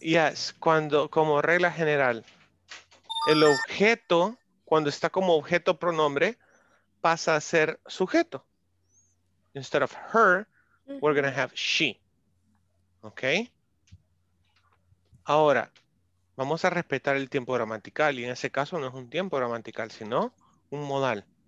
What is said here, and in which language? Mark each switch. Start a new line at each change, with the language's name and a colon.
Spanish: Yes, cuando, como regla general, el objeto, cuando está como objeto pronombre, pasa a ser sujeto.
English: Instead of her, we're going to have she. Okay?
Spanish: Ahora, vamos a respetar el tiempo gramatical, y en ese caso no es un tiempo gramatical, sino un modal.